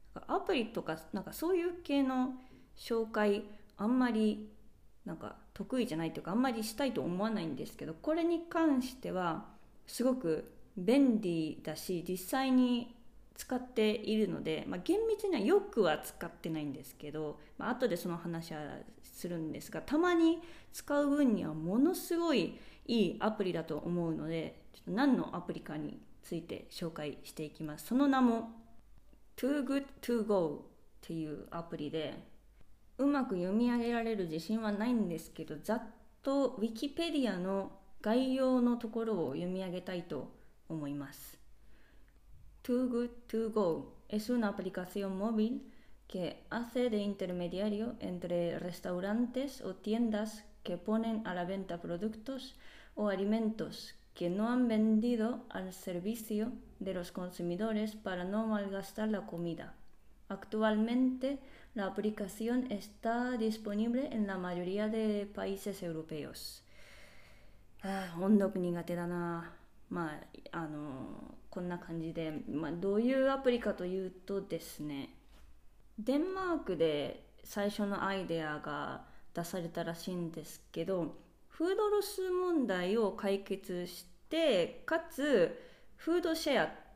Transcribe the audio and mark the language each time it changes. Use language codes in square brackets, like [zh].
[ja] アプリとかなんかそういう系の紹介あんまりなんか得意じゃないというか、あんまりしたいと思わないんですけど、これに関してはすごく便利だし、実際に使っているので、まあ、厳密にはよくは使ってないんですけど、まあ、後でその話はするんですが、たまに使う分にはものすごいいいアプリだと思うので、何のアプリかについて紹介していきます。その名も Too Good To Go っていうアプリで、うまく読み上げられる自信はないんですけど、ざっと Wikipedia の概要のところを読み上げたいと思います。 [es] Too Good To Go es una aplicación móvil que hace de intermediario entre restaurantes o tiendas que ponen a la venta productos o alimentos que no han vendido al servicio de los consumidores para no malgastar la comida. Actualmente, la aplicación está disponible en la mayoría de países europeos. [ja] Ah, 音読苦手だな。まあ、こんな感じで、まあ、どういうアプリかというとですね、デンマークで最初のアイデアが出されたらしいんですけど、フードロス問題を解決して、かつフードシェア、